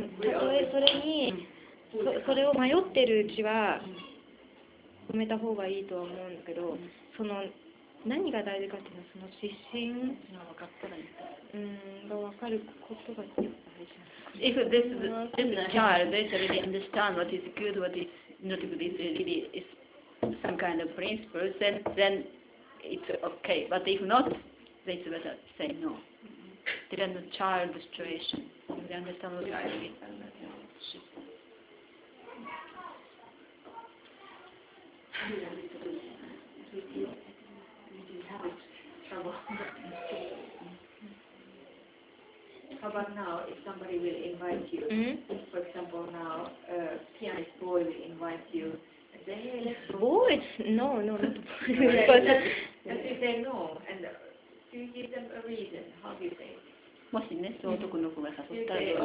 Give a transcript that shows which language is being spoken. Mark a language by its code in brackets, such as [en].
[ja] たとえそれに、それを迷ってるうちは止めた方がいいとは思うんだけど、その何が大事かっていうのは、その指針が分かることが大事なんです。 [en] If this child doesn't really understand what is good, what is not good, is really is some kind of principle, then it's okay. But if not, then it's better to say no. Depends on the child situation. Do you understand what I mean? How about now, if somebody will invite you, for example now, a pianist boy will invite you, and say, hey, let's go. Boys? No, not boys. And if they know, and do you give them a reason? How do you say? [ja] もしね、その男の子が誘ったら、